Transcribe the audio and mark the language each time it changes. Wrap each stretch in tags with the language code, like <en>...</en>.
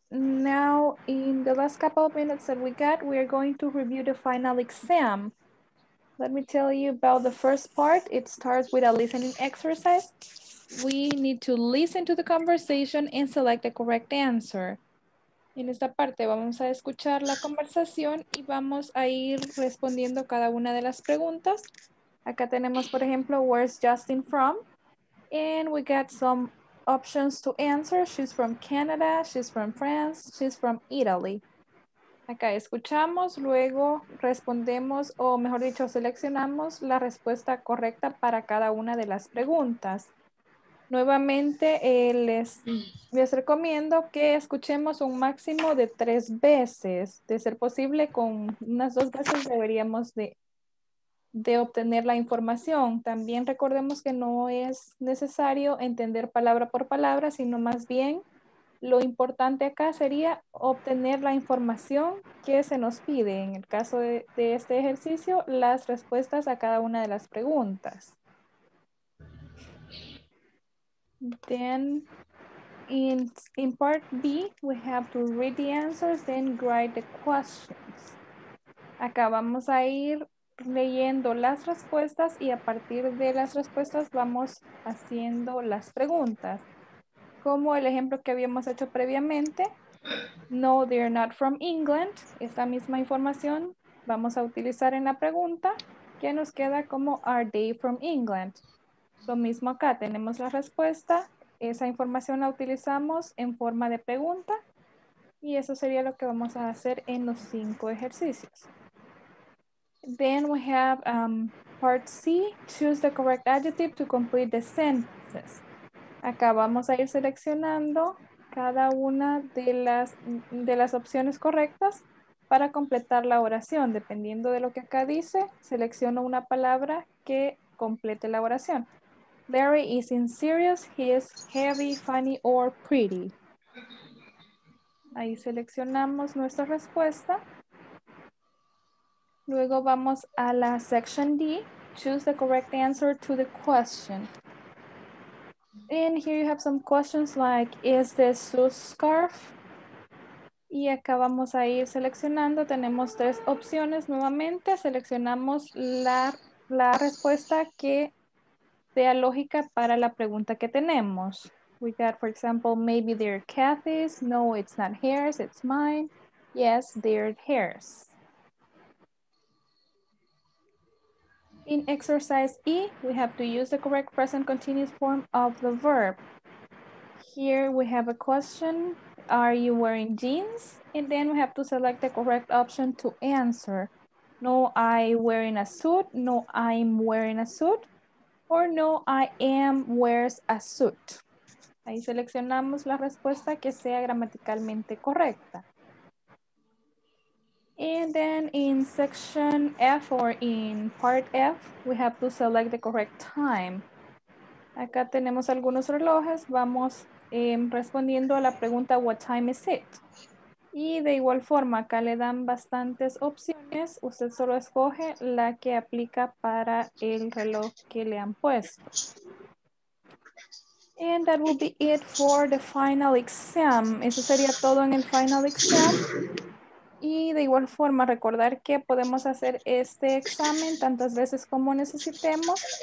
<en>Now, in the last couple of minutes that we got, we are going to review the final exam. let me tell you about the first part. It starts with a listening exercise. We need to listen to the conversation and select the correct answer.</en> <es>En esta parte vamos a escuchar la conversación y vamos a ir respondiendo cada una de las preguntas. Acá tenemos, por ejemplo,</es> <en>where's Justin from? And we got some options to answer. She's from Canada, she's from France, she's from Italy.</en> <es>Acá escuchamos, luego respondemos, o mejor dicho, seleccionamos la respuesta correcta para cada una de las preguntas. Nuevamente, les recomiendo que escuchemos un máximo de 3 veces. De ser posible, con unas 2 veces deberíamos de obtener la información. También recordemos que no es necesario entender palabra por palabra, sino más bien lo importante acá sería obtener la información que se nos pide. En el caso de este ejercicio, las respuestas a cada una de las preguntas.</es> <en>Then, in part B, we have to read the answers, then write the questions.</en> <es>Acá vamos a ir leyendo las respuestas y a partir de las respuestas vamos haciendo las preguntas. Como el ejemplo que habíamos hecho previamente,</es> <en>no, they're not from England.</en> <es>Esta misma información vamos a utilizar en la pregunta que nos queda como,</es> <en>are they from England?</en> <es>Lo mismo acá, tenemos la respuesta, esa información la utilizamos en forma de pregunta y eso sería lo que vamos a hacer en los 5 ejercicios.</es> <en>Then we have part C, choose the correct adjective to complete the sentences.</en> <es>Acá vamos a ir seleccionando cada una de las opciones correctas para completar la oración. Dependiendo de lo que acá dice, selecciono una palabra que complete la oración. Larry is in serious, he is heavy, funny, or pretty. Ahí seleccionamos nuestra respuesta. Luego vamos a la</es> <en>section D, choose the correct answer to the question. And here you have some questions like, is this Sue's scarf?</en> <es>Y acá vamos a ir seleccionando, tenemos 3 opciones nuevamente. Seleccionamos la respuesta que sea lógica para la pregunta que tenemos.</es> <en>We got, for example, maybe they're Kathy's. No, it's not hers, it's mine. Yes, they're hers. In exercise E, we have to use the correct present continuous form of the verb. Here we have a question, are you wearing jeans? And then we have to select the correct option to answer. No, I'm wearing a suit. No, I'm wearing a suit. Or no, I am wears a suit.</en> <es>Ahí seleccionamos la respuesta que sea gramaticalmente correcta.</es> <en>And then in section F or in part F, we have to select the correct time.</en> <es>Acá tenemos algunos relojes. Vamos respondiendo a la pregunta,</es> <en>what time is it?</en> <es>Y de igual forma, acá le dan bastantes opciones. Usted solo escoge la que aplica para el reloj que le han puesto.</es> <en>And that will be it for the final exam.</en> <es>Eso sería todo en el final exam. Y de igual forma, recordar que podemos hacer este examen tantas veces como necesitemos.</es>